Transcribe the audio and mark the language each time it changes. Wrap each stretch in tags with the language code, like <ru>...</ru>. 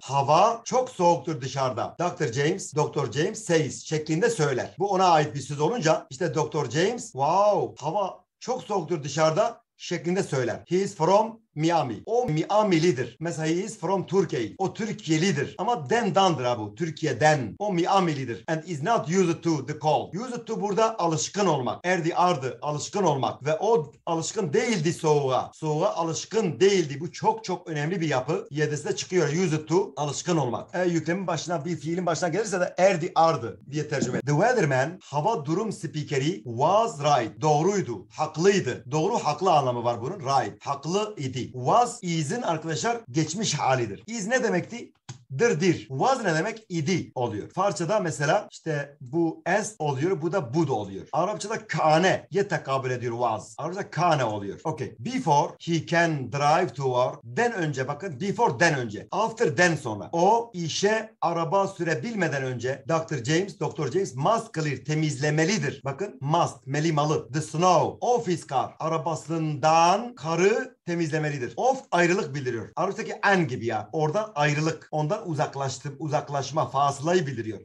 <tr>Hava çok soğuktur dışarıda. Dr. James, Dr.</tr> <en>James says</en> <tr>şeklinde söyler. Bu ona ait bir söz olunca işte Dr. James, wow, hava çok soğuktur dışarıda şeklinde söyler.</tr> <en>He is from Miami. O Miami'lidir.</en> <tr>Mesela</tr> <en>he is from Turkey.</en> <tr>O Türkiye'lidir. Ama den'dandır abi. Türkiye'den. O Miami'lidir.</tr> <en>And is not used to the cold.</en> <tr>Used to burada alışkın olmak. Erdi ardı. Alışkın olmak. Ve o alışkın değildi soğuğa. Soğuğa alışkın değildi. Bu çok çok önemli bir yapı. Yedisi de çıkıyor. Used to alışkın olmak. Yüklemin başına bir fiilin başına gelirse de erdi ardı diye tercüme.</tr> <en>The weatherman,</en> <tr>hava durum spikeri</tr> <en>was right.</en> <tr>Doğruydu. Haklıydı. Doğru haklı anlamı var bunun. Right. Haklı idi. Was is'in arkadaşlar geçmiş halidir. Is ne demekti? dırdır. Vazne demek idi oluyor. Farsça'da mesela işte bu es oluyor, bu da bud oluyor. Arapça'da kane ye tekabül ediyor vaz. Arapça'da kane oluyor. Okay.</tr> <en>Before he can drive to work.</en> <tr>Den önce bakın. Before den önce. After den sonra. O işe araba sürebilmeden önce Dr. James, Dr.</tr> <en>James must clear,</en> <tr>temizlemelidir. Bakın</tr> <en>must,</en> <tr>melimalı.</tr> <en>The snow. Office car.</en> <tr>Arabasından karı temizlemelidir. Of ayrılık bildiriyor. Arapçadaki en gibi ya. Orada ayrılık. Ondan uzaklaşma fasılayı bildiriyor.</tr>